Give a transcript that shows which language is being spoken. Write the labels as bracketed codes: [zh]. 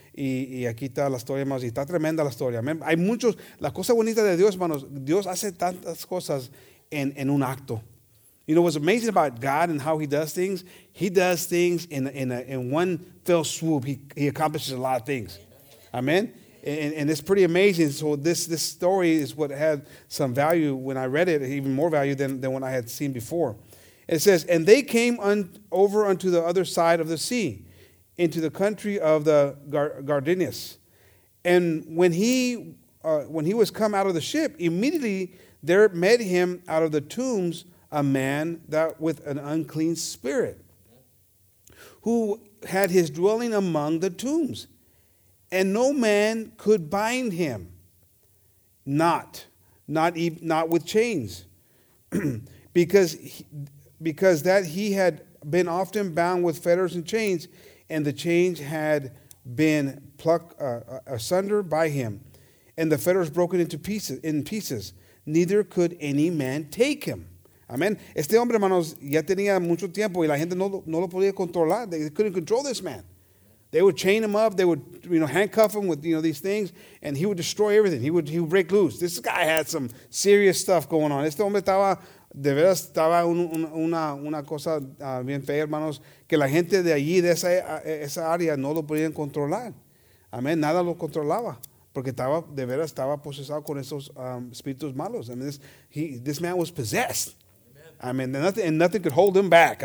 [es] Y aquí está la historia, hermanos. Y está tremenda la historia. Amen. Hay muchos. La cosa bonita de Dios, hermanos, Dios hace tantas cosas en un acto. [en] What's amazing about God and how he does things in one fell swoop. He accomplishes a lot of things. Amen? And it's pretty amazing. So this story is what had some value when I read it, even more value than what I had seen before. It says, and they came over unto the other side of the sea, into the country of the Gadarenes. And when he was come out of the ship, immediately there met him out of the tombs a man that with an unclean spirit, who had his dwelling among the tombs, and no man could bind him, not with chains, because that he had been often bound with fetters and chains, and the chains had been plucked asunder by him, and the fetters broken into pieces. Neither could any man take him. Amen. [es] Este hombre, hermanos, ya tenía mucho tiempo y la gente no lo podía controlar. [en] They couldn't control this man. They would chain him up. They would, you know, handcuff him with, you know, these things, and he would destroy everything. He would break loose. This guy had some serious stuff going on. [es] Este hombre estaba, de veras, estaba una cosa bien fea, hermanos, que la gente de allí, de esa área, no lo podían controlar. Amén. Nada lo controlaba. Porque estaba, de veras, estaba posesado con esos espíritus malos. [en] I mean, this man was possessed. Amen. I mean, nothing could hold him back.